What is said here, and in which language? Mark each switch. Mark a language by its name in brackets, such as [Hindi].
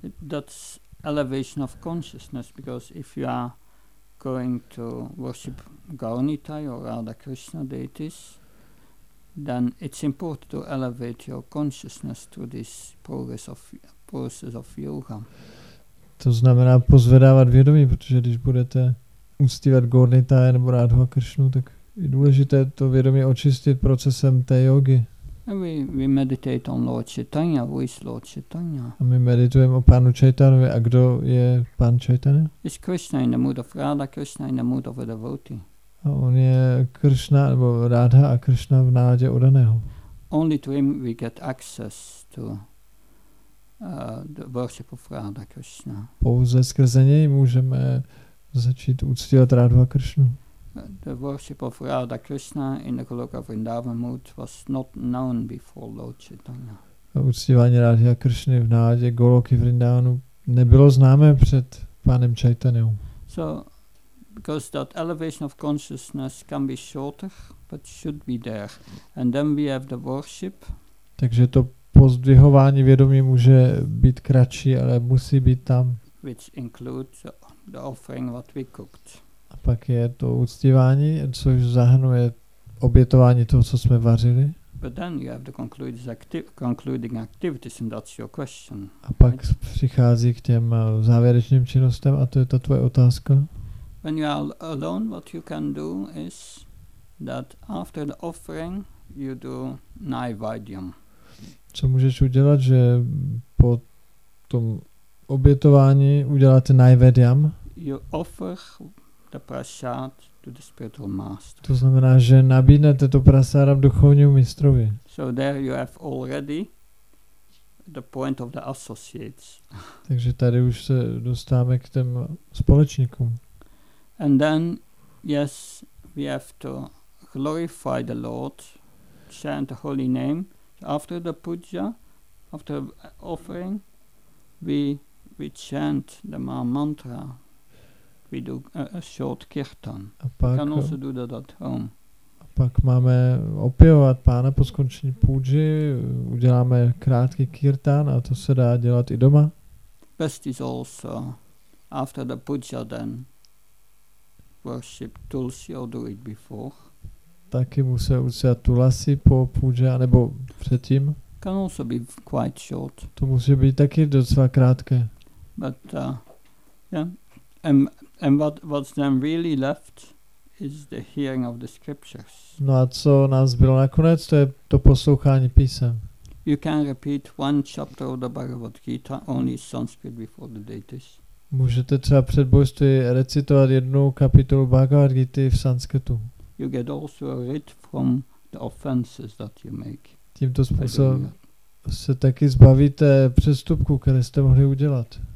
[English] That's elevation of consciousness, because if you are going to worship Gaunitai or Radha Krishna deities, then it's important to elevate your consciousness to this process of yoga. [Czech] To znamená pozvedávat vědomí, protože když budete uctívat Gaunitaya nebo Radhu a Krishnu, tak je důležité to vědomí očistit procesem té jógy. [English] We meditate on Lord Chaitanya. Who is Lord Chaitanya? [Czech] A my meditujeme o Pánu Chaitanyovi. A kdo je Pán Chaitanya? [English] It's Krishna in the mood of Radha, Krishna in the mood of a devotee. [Czech] A on je Krishna, nebo Radha a Krishna v náladě odaného. [English] Only to him we get access to the worship of Radha Krishna. [Czech] Pouze skrze něj můžeme začít uctívat Radhu a Krishnu. [English] The worship of Radha Krishna in the Goloka Vrindavan mood was not known before Lord Chaitanya. [Czech] A uctívání Radhy a Krishny v náladě Goloky Vrindavanu nebylo známé před Pánem Chaitanyou. [English] So, because that elevation of consciousness can be shorter, but should be there. And then we have the worship. [Czech] Takže to pozdvihování vědomí může být kratší, ale musí být tam. [English] Which includes the offering what we cooked. [Czech] A pak je to uctívání, což zahrnuje obětování toho, co jsme vařili. [English] But then you have the concluding activities, and that's your question. [Czech] A pak přichází k těm závěrečným činnostem, a to je ta tvoje otázka. [English] When you are alone, what you can do is that after the offering, you do naivedyam. [Czech] Co můžeš udělat, že po tom obětování uděláte Naivedyam. [English] You offer the prasad to the spiritual master. [Czech] To znamená, že nabídnete to prasadam duchovnímu mistrovi. [English] So there you have already the point of the associates. [Czech] Takže tady už se dostáváme k těm společníkům. [English] And then yes, we have to glorify the Lord, chant the holy name after the puja, after offering, we chant the mantra. We do a short kirtan. You can also do that at home. [Czech] A pak máme opěvovat pána po skončení puji, uděláme krátký kirtan a to se dá dělat i doma. [English] Best is also after the puja then worship tulsi or do it before. [Czech] Taky musí uctívat tulasi po puji anebo předtím. [English] Can also be quite short. [Czech] To musí být taky docela krátké. [English] But yeah, and what's then really left is the hearing of the scriptures. [Czech] No a co nás bylo nakonec, to je to poslouchání písem. [English] You can repeat one chapter of the Bhagavad Gita only Sanskrit before the deities. [Czech] Můžete třeba před božství recitovat jednu kapitolu Bhagavad Gita v sanskritu. [English] You get also a writ from the offenses that you make. [Czech] Tímto způsobem se taky zbavíte přestupku, které jste mohli udělat.